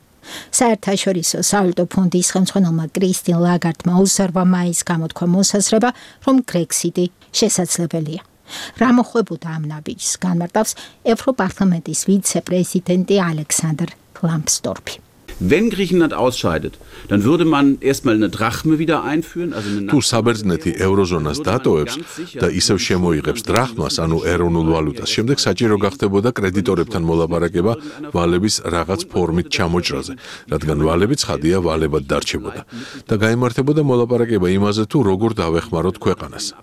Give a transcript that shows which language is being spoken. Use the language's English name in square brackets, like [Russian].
[Georgian] საერთაშორისო სავალუტო ფონდის ხელმძღვანელმა კრისტინ ლაგარდმა 28 მაისს გამოთქვა მოსაზრება, რომ გრექსიტი შესაძლებელია. რა მოხვებოდა ამ ნაბიჯს, განმარტავს ევროპარლამენტის ვიცე-პრეზიდენტი ალექსანდერ ფლამსტორფი. [German] Wenn Griechenland ausscheidet, dann würde man erstmal eine Drachme wieder einführen, also eine [Georgian] Du საბერძნეთი ევროზონას დატოვებს და ისევ შემოიღებს დრახმას, ანუ ეროვნულ ვალუტას. შემდეგ საჭირო გახდებოდა კრედიტორებთან მოლაპარაკება ვალების რაღაც ფორმით ჩამოჭრაზე, რადგან ვალები ცხადია ვალებად დარჩებოდა და გამოიმართებოდა მოლაპარაკება იმაზე, თუ როგორ დავეხმაროთ ქვეყანას.